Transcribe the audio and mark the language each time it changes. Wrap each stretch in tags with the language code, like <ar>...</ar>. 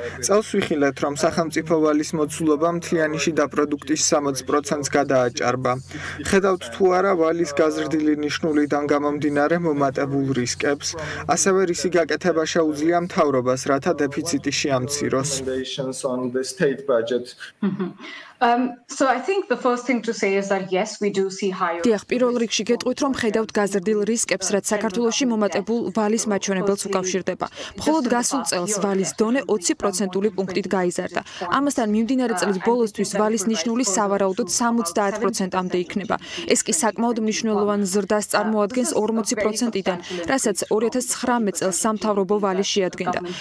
<ka>წელს ვიხილეთ, რომ სახელმწიფო ვალის მოცულობა მთლიანი შიდა პროდუქტის 60%-ს გადააჭარბა. ხედავთ თუ არა ვალის გაზრდილი ნიშნულიდან გამომდინარე მომატებულ რისკებს, ასევე რისი გაკეთება შეუძლია მთავრობას, რათა დეფიციტი შეამციროს.</ka> <en>So I think the first thing to say is that yes, we do see higher.</en> <ka>დიახ, პირველ რიგში გეტყვით, რომ ხედავთ გაზრდილ რისკებს, რაც საქართველოსში მომატებულ ვალის მაჩვენებელს უკავშირდება. მხოლოდ გასულ წელს ვალის დონე 20% პუნქტით გაიზარდა. ამასთან მიმდინარე წლის ბოლოსთვის ვალის ნიშნული სავარაუდოდ 70%-ამდე იქნება. ეს კი საკმაოდ მნიშვნელოვან ზრდას წარმოადგენს 40%-დან, რასაც 2019 წელს სამთავრობო ვალი შეადგენდა.</ka>